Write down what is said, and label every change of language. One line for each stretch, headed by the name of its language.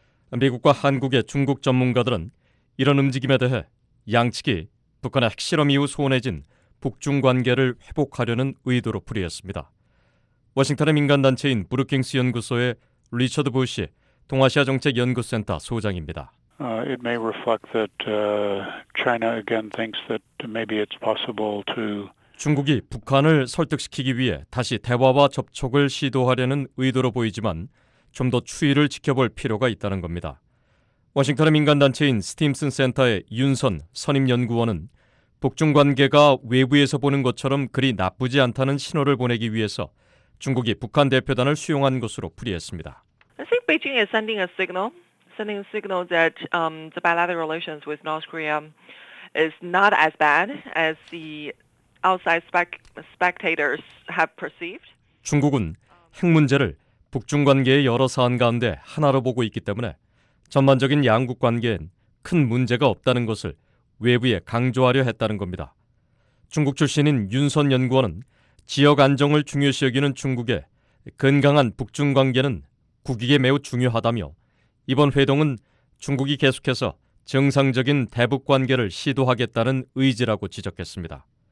Korean: 미국과 한국의 중국 전문가들은 이런 움직임에 대해 양측이 북한의 핵실험 이후 소원해진 북중관계를 회복하려는 의도로 풀이했습니다. 워싱턴의 민간단체인 브루킹스 연구소의 리처드 부시 동아시아정책연구센터 소장입니다.
English: It may reflect that China again thinks that maybe it's possible to
Korean: 중국이 북한을 설득시키기 위해 다시 대화와 접촉을 시도하려는 의도로 보이지만 좀 더 추이를 지켜볼 필요가 있다는 겁니다. 워싱턴의 민간단체인 스팀슨 센터의 윤선 선임연구원은 북중관계가 외부에서 보는 것처럼 그리 나쁘지 않다는 신호를 보내기 위해서 중국이 북한 대표단을 수용한 것으로 풀이했습니다.
English: I think Beijing is sending a signal that the bilateral relations with North Korea is not as bad as the outside spectators have perceived.
Korean: 중국은 핵 문제를 북중 관계의 여러 사안 가운데 하나로 보고 있기 때문에 전반적인 양국 관계엔 큰 문제가 없다는 것을 외부에 강조하려 했다는 겁니다. 중국 출신인 윤선 연구원은 지역 안정을 중요시 여기는 중국에 건강한 북중 관계는 국익에 매우 중요하다며 이번 회동은 중국이 계속해서 정상적인 대북 관계를 시도하겠다는 의지라고 지적했습니다.